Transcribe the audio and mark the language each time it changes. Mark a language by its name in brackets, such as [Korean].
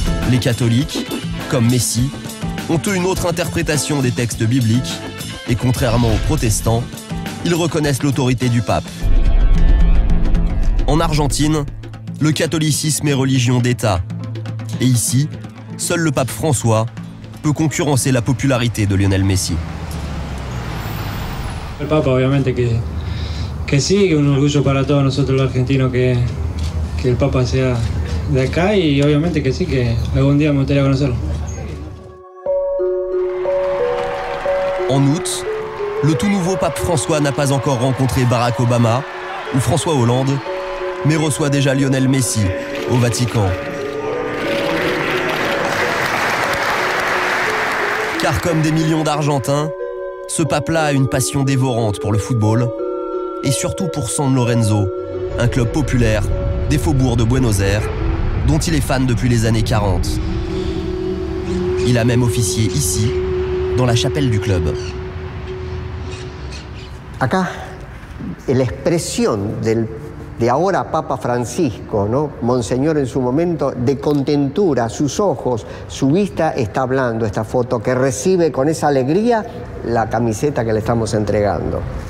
[French] Les catholiques, comme Messi, ont eux une autre interprétation des textes bibliques et contrairement aux protestants, ils reconnaissent l'autorité du pape. En Argentine, le catholicisme est religion d'État. Et ici, seul le pape François peut concurrencer la popularité de Lionel Messi. Le pape, [Spanish] obviamente, que si, que un orgullo para todos nosotros los argentinos que el papa sea de acá y obviamente que si, que algún día me gustaría conocerlo. [French] En août, le tout nouveau pape François n'a pas encore rencontré Barack Obama ou François Hollande, mais reçoit déjà Lionel Messi au Vatican. Car comme des millions d'Argentins, ce pape-là a une passion dévorante pour le football et surtout pour San Lorenzo, un club populaire des faubourgs de Buenos Aires, dont il est fan depuis les années 40. Il a même officié ici, dans la chapelle du club. [Spanish] Acá, la expresión de ahora Papa Francisco, ¿no? Monseñor en su momento, de contentura, sus ojos, su vista está hablando, esta foto que recibe con esa alegría la camiseta que le estamos entregando.